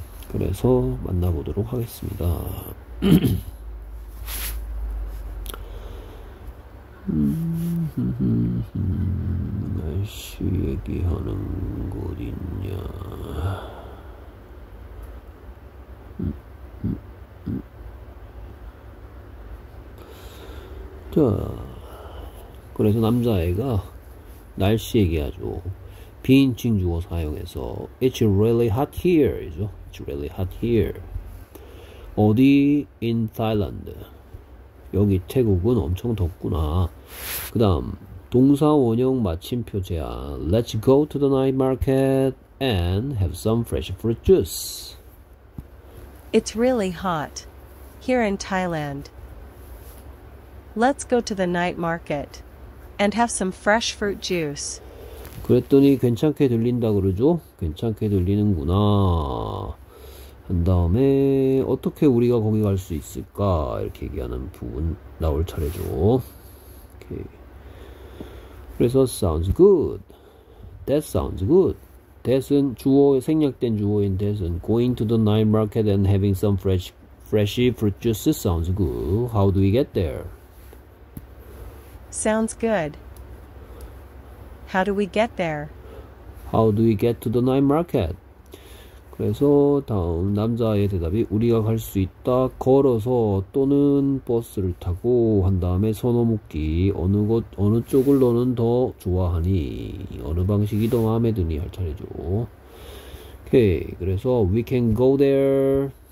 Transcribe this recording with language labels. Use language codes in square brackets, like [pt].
[ko] 그래서 만나보도록 하겠습니다. 날씨 얘기하는 곳 그래서 남자애가 날씨 얘기하죠. 비인칭 주어 사용해서 [en] It's really hot here [ko] 이죠. [en] It's really hot here. [ko] 어디 [en] in Thailand? [ko] 여기 태국은 엄청 덥구나. 그다음 동사 원형 마침표 제안. [en] Let's go to the night market and have some fresh fruit juice. It's really hot here in Thailand. Let's go to the night market and have some fresh fruit juice. [ko] 그랬더니 괜찮게 들린다 그러죠? 괜찮게 들리는구나. 한 다음에 어떻게 우리가 거기 갈수 있을까? 이렇게 얘기하는 부분 나올 차례죠. [en] 오케이. 그래서 sounds good. That sounds good. That은 [ko] 주어 생략된 주어인 [en] that은 going to the night market and having some fresh fruit juice sounds good. How do we get there? Sounds good. How do we get there? How do we get to the night market? [ko] 그래서 다음 남자의 대답이 우리가 갈수 있다. 걸어서 또는 버스를 타고 한 다음에 선호묻기. 어느 곳, 어느 쪽을 너는 더 좋아하니? 어느 방식이 더 마음에 드니? 할 차례죠. 오케이. 그래서 [en] we can go there.